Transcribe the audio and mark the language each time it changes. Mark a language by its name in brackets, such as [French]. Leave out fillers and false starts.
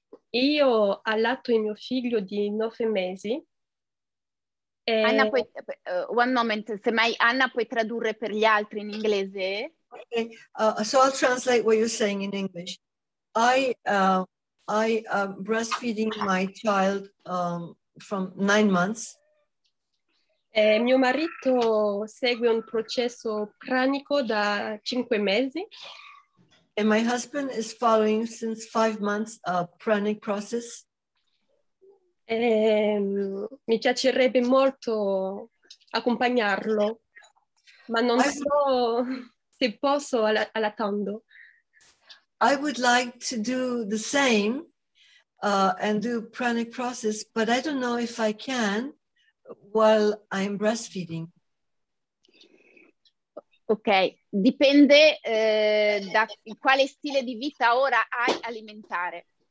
[Italian] Io ho allattato il mio figlio di 9 mesi. E... Anna, puoi... [English] one moment, [Italian] se mai Anna puoi tradurre per gli altri in inglese. [English] Okay, so I'll translate what you're saying in English. I breastfeeding my child from 9 months. [Italian] E mio marito segue un processo pranico da 5 mesi. [English] And my husband is following since 5 months a pranic process. [Italian] Mi piacerebbe molto accompagnarlo, ma non so se posso allattando. [English] I would like to do the same and do pranic process, but I don't know if I can while I'm breastfeeding. [Italian] Ok, dipende da quale stile di vita ora hai alimentare.